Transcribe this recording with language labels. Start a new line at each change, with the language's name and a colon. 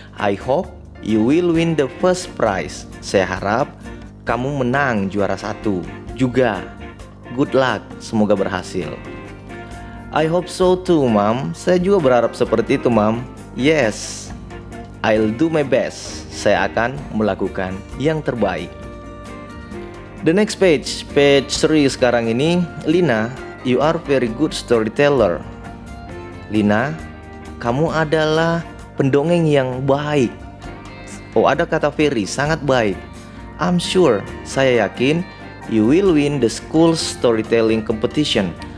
English: I hope you will win the first prize.
Indonesian: Saya harap kamu menang juara satu juga.
English: Good luck,
Indonesian: semoga berhasil.
English: I hope so too, Mom.
Indonesian: Saya juga berharap seperti itu, Mom.
English: Yes, I'll do my best.
Indonesian: Saya akan melakukan yang terbaik.
English: The next page, page 3
Indonesian: sekarang ini.
English: Lina, you are very good storyteller. Lina,
Indonesian: kamu adalah pendongeng yang baik. Oh, ada kata very, sangat baik.
English: I'm sure,
Indonesian: saya yakin,
English: you will win the school storytelling competition.